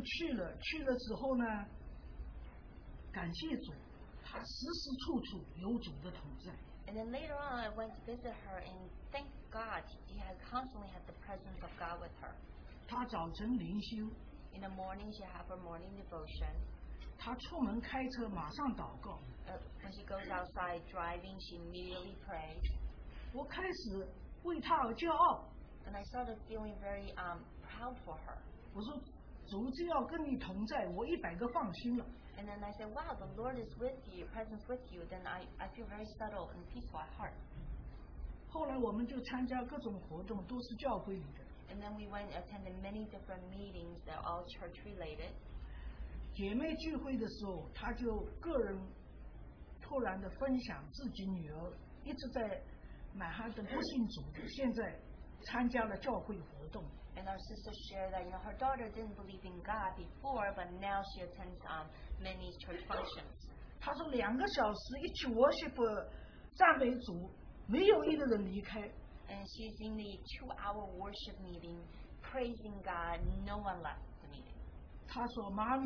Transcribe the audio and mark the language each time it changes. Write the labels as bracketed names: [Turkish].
[Chinese] 后来我就去了之后呢, 感谢主, 他时时处处有主的同在。 [English] And then later on, I went to visit her, and thank God, she had constantly had the presence of God with her. [Chinese] 她早晨灵修, [English] in the morning, she had her morning devotion. [Chinese] 她出门开车, [English] when she goes outside driving, she immediately prays. [Chinese] 我开始为她而骄傲, [English] and I started feeling very proud for her. [Chinese] 我说,主就要跟你同在, [English] and then I said, wow, the Lord is with you, presence with you. Then I feel very settled and peaceful at heart. [Chinese] 后来我们就参加各种活动, [English] and then we went and attended many different meetings that are all church related. [Chinese] 姐妹聚会的时候, 她就个人突然地分享自己女儿一直在买她的不信主, 现在参加了教会活动。 [English] And our sister shared that, you know, her daughter didn't believe in God before, but now she attends many church functions. [Chinese] 她说两个小时一起 worship 赞美主, 没有一个人离开。 [English] And she's in the 2-hour worship meeting, praising God, no one left the meeting.